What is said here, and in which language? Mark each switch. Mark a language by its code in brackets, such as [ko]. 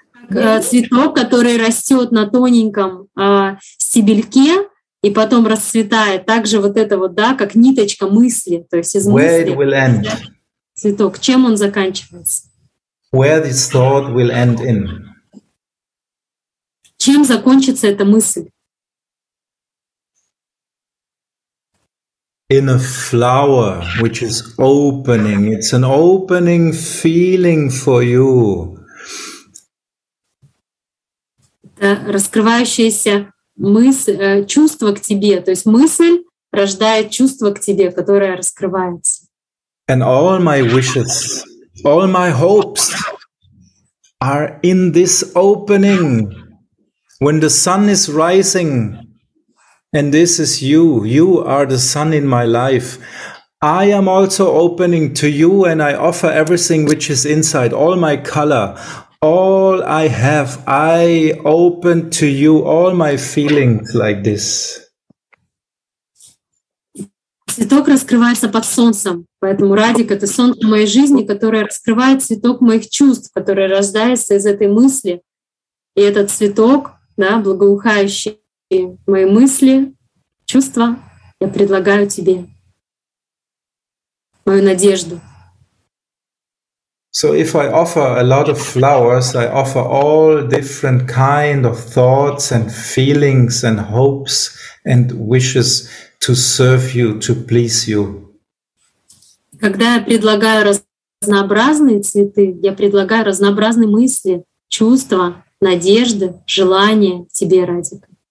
[ru] Цветок, который растет на тоненьком стебельке и потом расцветает, также вот это вот, да, как ниточка мысли, то есть из мысли. Цветок, чем он заканчивается? [en] Where this thought will end in? [ru] Чем закончится эта мысль? [en] In a flower which is opening, it's an opening feeling for you. [ru] Это раскрывающееся мысль, чувство к тебе, то есть мысль рождает чувство к тебе, которое раскрывается. [en] And all my wishes, all my hopes are in this opening when the sun is rising. And this is you. You are the sun in my life. I am also opening to you, and I offer everything which is inside, all my color, all I have. I open to you all my feelings like this. [ru] Цветок раскрывается под солнцем, поэтому Радик — это солнце моей жизни, которое раскрывает цветок моих чувств, которое рождается из этой мысли. И этот цветок, да, благоухающий. И мои мысли, чувства я предлагаю тебе, мою надежду. [en] So if I offer a lot of flowers, I offer all different kind of thoughts and feelings and hopes and wishes to serve you, to please you. [ru] Когда я предлагаю разнообразные цветы, я предлагаю разнообразные мысли, чувства, надежды, желания тебе, Радик.